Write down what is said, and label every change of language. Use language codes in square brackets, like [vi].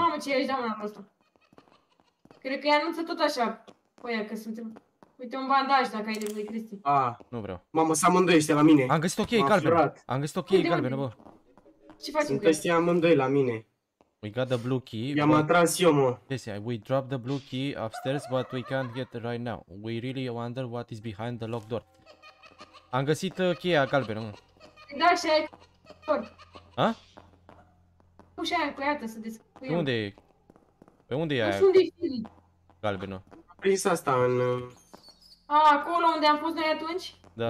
[ro] Mamă, ce ești, doamna noastră. Cred că îi anunță tot așa pe aia că suntem... Uite un bandaj dacă ai nevoie, Cristi. A, nu vreau. Mamă, s-a amândoi ăștia la mine. Am găsit o cheie galbenă. Am găsit o cheie galbenă, bă. Ce faci? Sunt ăștia amândoi la mine. [en] We got the blue key. [ro] I-am atras eu, mă. [en] Yes, we dropped the blue key upstairs, but we can't get it right now. We really wonder what is behind the locked door. [ro] Am găsit cheia galbenă, mă. Da, și aia e cu ea. Ha? Ușa aia cu ea, să descuie. Pe unde e? Pe unde e aia? Nu știu unde e Filip. Galbenă. Am prins asta în... A, acolo unde am fost noi atunci? Da.